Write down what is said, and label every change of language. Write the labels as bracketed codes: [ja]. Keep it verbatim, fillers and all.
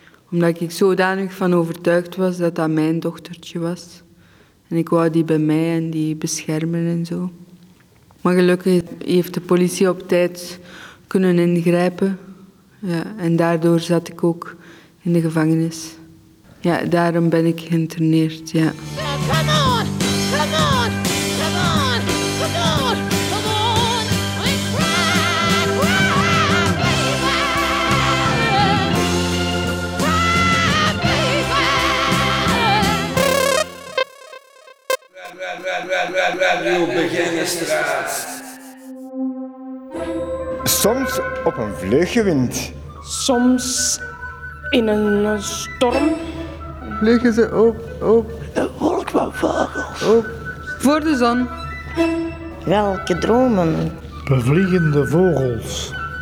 [nl] Omdat ik zodanig van overtuigd was dat dat mijn dochtertje was. En ik wou die bij mij en die beschermen en zo. Maar gelukkig heeft de politie op tijd kunnen ingrijpen. Ja, en daardoor zat ik ook in de gevangenis. Ja, daarom ben ik geïnterneerd, ja. [en] Come on, come on, come on, come on, and cry, cry, baby, cry, baby. [nl] Soms op een vleugje wind. Soms in een storm. Vliegen ze op, op. Een wolk van vogels. Op. Voor de zon. Welke dromen? Bevliegende vogels.